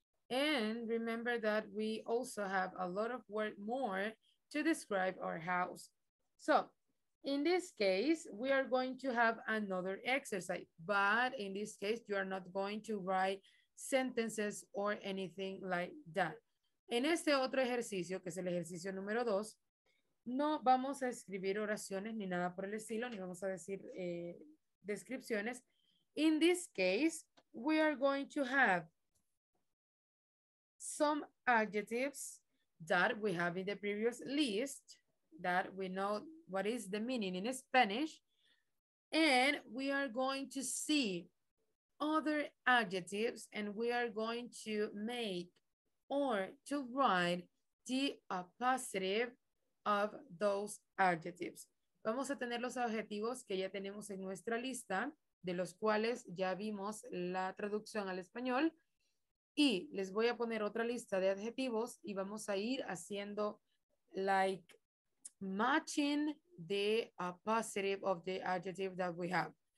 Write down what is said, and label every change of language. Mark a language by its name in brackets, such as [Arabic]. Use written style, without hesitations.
[English] And remember that we also have a lot of word more to describe our house. So in this case, we are going to have another exercise, but in this case, you are not going to write sentences or anything like that. [Spanish] En este otro ejercicio, que es el ejercicio número 2, no vamos a escribir oraciones ni nada por el estilo, ni vamos a decir descripciones. [English] In this case, we are going to have some adjectives that we have in the previous list that we know what is the meaning in Spanish. And we are going to see other adjectives and we are going to make or to write the appositive of those adjectives. [Spanish] Vamos a tener los adjetivos que ya tenemos en nuestra lista, de los cuales ya vimos la traducción al español. Y les voy a poner otra lista de adjetivos y vamos a ir haciendo [English] like matching the appositive of the adjective that we have.